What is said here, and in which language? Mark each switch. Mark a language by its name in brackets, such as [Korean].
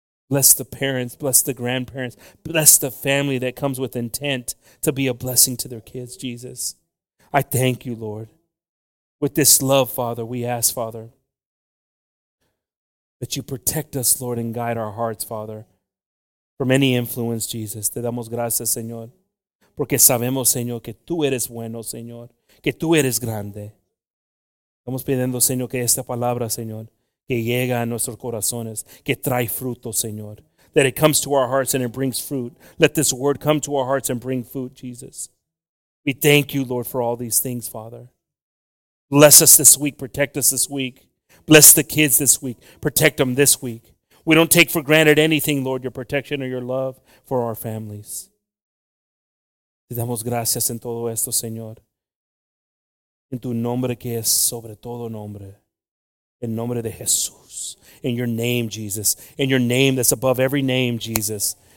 [English] Bless the parents, bless the grandparents, bless the family that comes with intent to be a blessing to their kids, Jesus. I thank you, Lord. With this love, Father, we ask, Father, that you protect us, Lord, and guide our hearts, Father, from any influence, Jesus. [Spanish] Te damos gracias, Señor, porque sabemos, Señor, que tú eres bueno, Señor, que tú eres grande. Estamos pidiendo, Señor, que esta palabra, Señor, que llega a nuestros corazones, que trae fruto, Señor. [English] That it comes to our hearts and it brings fruit. Let this word come to our hearts and bring fruit, Jesus. We thank you, Lord, for all these things, Father. Bless us this week. Protect us this week. Bless the kids this week. Protect them this week. We don't take for granted anything, Lord, your protection or your love for our families. [Spanish] Te damos gracias en todo esto, Señor. En tu nombre que es sobre todo nombre. En nombre de Jesús. [English] In your name, Jesus. In your name that's above every name, Jesus.